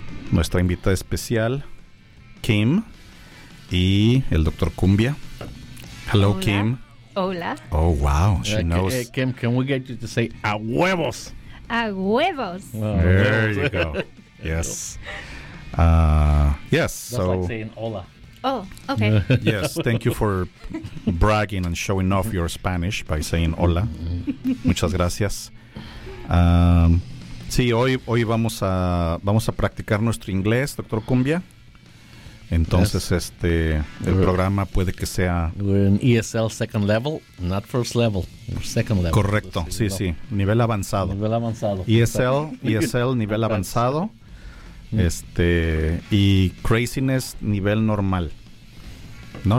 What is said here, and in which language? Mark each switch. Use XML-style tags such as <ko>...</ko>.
<es>Nuestra invitada especial, Kim, y el doctor Cumbia.</es> <en>Hello, hola. Kim.</en> <es>Hola.</es> <en>Oh, wow. She knows. Hey, Kim, can we get you to say a huevos?</en> <es>A huevos.</es> <en>Wow. There you go. Yes. Yes. That's so, like saying hola. Oh, okay. Yes. Thank you for bragging and showing off your Spanish by saying hola.</en> <es>Muchas gracias. Sí, hoy vamos a practicar nuestro inglés, doctor Cumbia. Entonces, yes. El programa puede que sea...</es> <en>We're in ESL second level, not first level, second level.</en> <es>Correcto, see, sí, level. Sí, nivel avanzado. Nivel avanzado. ESL, ESL nivel avanzado, y craziness nivel normal. ¿No?</es>